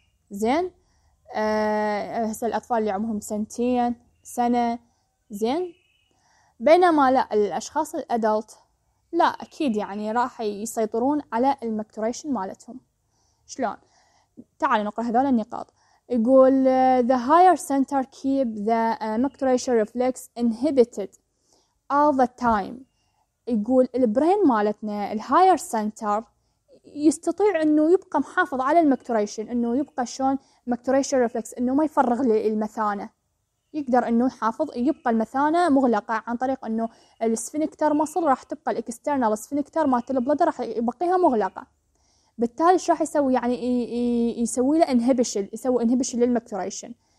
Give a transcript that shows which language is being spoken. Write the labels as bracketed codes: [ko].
[ar] زين؟ هسه الأطفال اللي عمهم سنتين سنة، زين؟ بينما لا الأشخاص الأدلت لا أكيد يعني راح يسيطرون على المكتوريشن مالتهم. شلون؟ تعال نقرأ هذول النقاط. [en] يقول the higher center keep the maturation reflex inhibited all the time. [ar] يقول البرين مالتنا الهاير سنتر يستطيع انه يبقى محافظ على المكتوريشن، انه يبقى شلون مكتوريشن ريفلكس، انه ما يفرغ للمثانة، يقدر انه يحافظ يبقى المثانة مغلقة عن طريق انه السفنكتر مصل راح تبقى الاكسترنال السفنكتر مات البلدر راح يبقيها مغلقة، بالتالي شو راح يسوي يعني يسوي له انهبيشن، يسوي انهبيشن للمكتوريشن.